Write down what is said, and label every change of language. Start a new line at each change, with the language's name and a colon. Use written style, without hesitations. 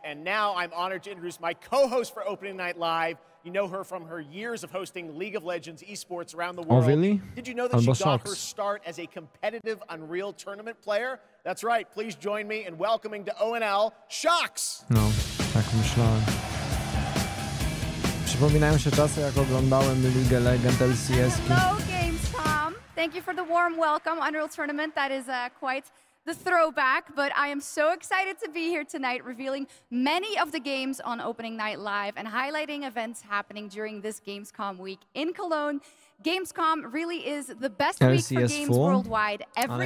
English: And now I'm honored to introduce my co-host for Opening Night Live. You know her from her years of hosting League of Legends esports around the world. Oh, really? Did you know that she got her start as a competitive Unreal Tournament player? That's right, please join me in welcoming to ONL, Shox!
Polish: No, tak myślałem. Przypominają się czasy, jak oglądałem League of Legends LCS-ki.
English: Hello, Gamescom. Thank you for the warm welcome, Unreal Tournament. That is quite... the throwback, but I am so excited to be here tonight revealing many of the games on Opening Night Live and highlighting events happening during this Gamescom week in Cologne. Gamescom really is the best week LCS for games 4? Worldwide every